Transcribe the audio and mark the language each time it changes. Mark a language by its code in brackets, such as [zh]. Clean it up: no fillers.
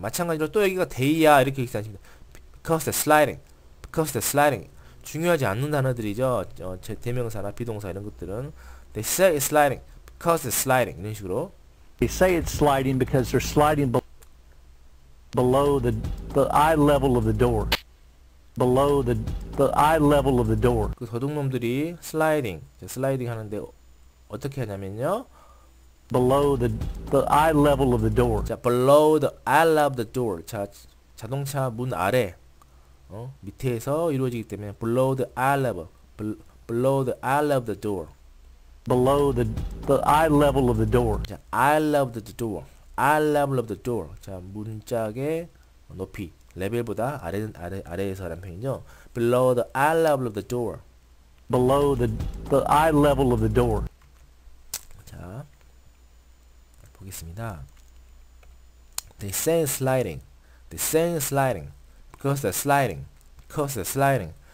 [ko] 마찬가지로 또 여기가 they야 이렇게 있지 않습니다. [en] Because they're sliding. Because they're sliding. [ko] 중요하지 않는 단어들이죠. 대명사나 비동사 이런 것들은. [en] They say it's sliding. Because it's sliding. [ko] 이런 식으로. [en] They say it's sliding because they're sliding below the eye level of the door. Below the eye level of the door. [ko] 그 도둑놈들이 sliding. 슬라이딩 하는데 어떻게 하냐면요. [en] Below the eye level of the door. 자, below the eye level of the door. [ko] 자, 자동차 문 아래. 밑에서 이루어지기 때문에 [en] below the eye level, below the eye level of the door, below the eye level of the door. 자, eye level of the door, eye level of the door. [ko] 자, 문짝의 높이 레벨보다 아래에서라는 표현이죠. [en] Below the eye level of the door, below the eye level of the door. [ko] 자, 보겠습니다. [en] They say sliding, they say sliding. Because they're sliding. Because they're sliding.